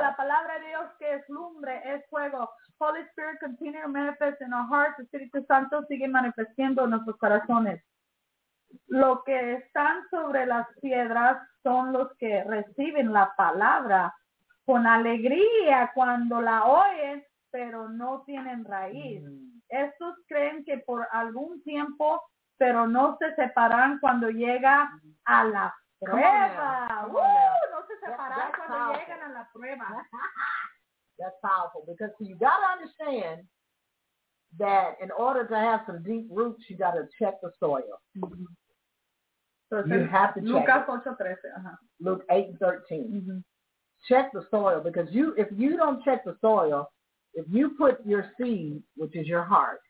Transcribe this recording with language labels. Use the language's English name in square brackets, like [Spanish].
[Spanish] La palabra de Dios que es lumbre, es fuego. Holy Spirit, continue to manifest in our hearts. Espíritu Santo sigue manifestando en nuestros corazones. Lo que están sobre las piedras son los que reciben la palabra con alegría cuando la oyen, pero no tienen raíz. Estos creen que por algún tiempo, pero no se separan cuando llega a la prueba. No se separan cuando llegan a la prueba. [English] That's powerful. Because you got to understand that in order to have some deep roots, you got to check the soil. Mm-hmm. You have to check. Luke 8:13. Mm-hmm. Check the soil, because if you don't check the soil, if you put your seed, which is your heart,